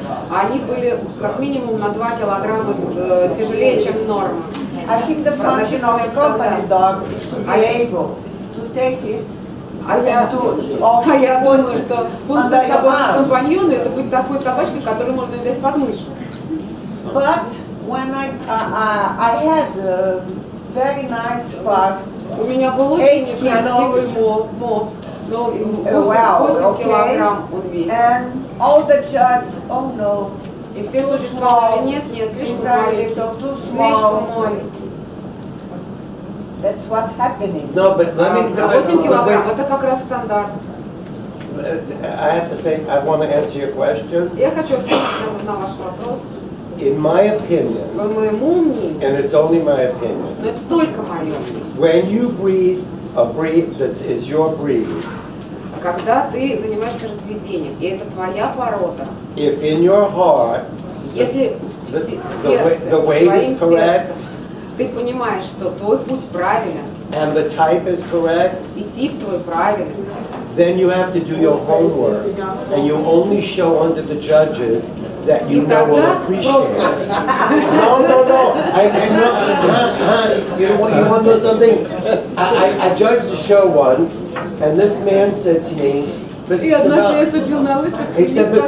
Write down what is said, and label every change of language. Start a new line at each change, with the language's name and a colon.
Russian: Они были как минимум на 2 килограмма тяжелее, чем норма.
English: I think the function of a company dog is to be able to take it.
Russian: А я думаю, что функция собаки компаньона это быть такой собачкой, которую можно взять под мышку.
English: But when I had a very nice pug.
Russian: У меня был очень красивый мопс, но 8 килограмм он весит.
English: And all the judges, oh no.
Russian: И все судьи сказали, нет, слишком маленький.
English: That's what happening. No, but let me.
Russian: 8 килограмм. Это как раз стандарт.
English: I have to say, I want to answer your question.
Russian: Я хочу ответить на ваш вопрос.
English: In my opinion.
Russian: По моему мнению.
English: And it's only my opinion.
Russian: Но это только мое мнение.
English: When you breed a breed that is your breed.
Russian: Когда ты занимаешься разведением и это твоя порода.
English: If in your heart.
Russian: Если
English: the weight is correct.
Russian: Ты понимаешь, что твой путь правильный.
English: And the type is correct.
Russian: И тип твой правильный.
English: Then you have to do your homework, and you only show under the judges that you know will appreciate. No. You want to know something? I judged a show once, and this man said to me, Mr.